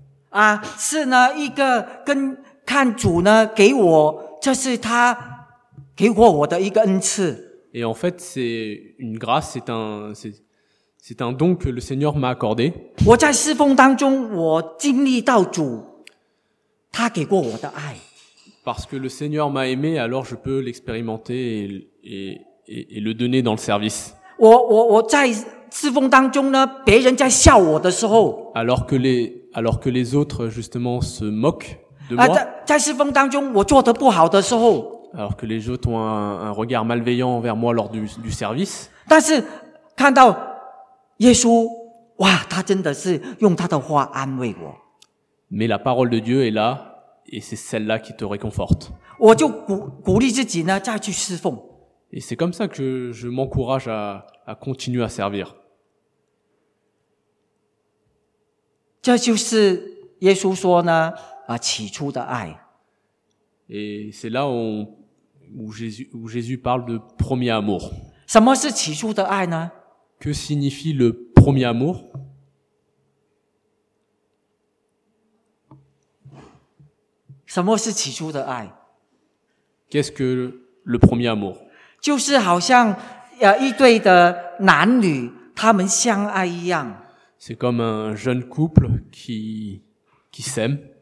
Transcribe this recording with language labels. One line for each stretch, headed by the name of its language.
Chinese: 啊，是呢，一个跟看主呢给我，这是他给过我的一个恩赐。
French: Et en fait, c'est une grâce, c'est un don que le Seigneur m'a accordé.
Chinese: 我在侍奉当中，我经历到主他给过我的爱。
French: Parce que le Seigneur m'a aimé, alors je peux l'expérimenter et le donner dans le service.
Chinese: 我在侍奉当中呢，别人在笑我的时候。
French: Alors que les autres justement se moquent de moi.
Chinese: 在侍奉当中，我做得不好的时候。
French: Alors que les autres ont un regard malveillant envers moi lors du service.
Chinese: 但是看到耶稣，哇，他真的是用他的话安慰我。
French: Mais la parole de Dieu est là, et c'est celle-là qui te réconforte.
Chinese: 我就鼓励自己呢，再去侍奉。
French: Et c'est comme ça que je m'encourage à continuer à servir.
Chinese: 这就是耶稣说呢，起初的爱。
French: Et c'est là où Jésus parle de premier amour.
Chinese: 什么是起初的爱呢？
French: Que signifie le premier amour?
Chinese: 什么是起初的爱？
French: Qu'est-ce que le premier amour?
Chinese: 就是好像一对的男女他们相爱一样。
French: C'est comme un jeune couple qui s'aime.